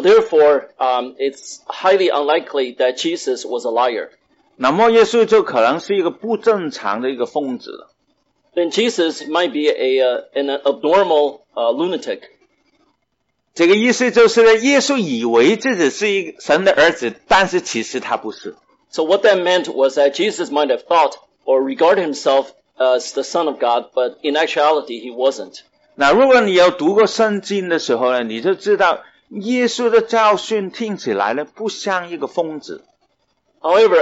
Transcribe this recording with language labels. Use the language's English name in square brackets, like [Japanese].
[English] therefore, it's highly unlikely that Jesus was a liar. [Chinese] 那么耶稣就可能是一个不正常的一个疯子了。 [English] Then Jesus might be an abnormal lunatic. [Chinese] 这个意思就是呢，耶稣以为自己是神的儿子，但是其实他不是。 [English] So what that meant was that Jesus might have thought or regarded himself as the Son of God, but in actuality he wasn't. [Chinese] 那如果你有读过圣经的时候呢，你就知道耶稣的教训听起来呢不像一个疯子。 [English] However,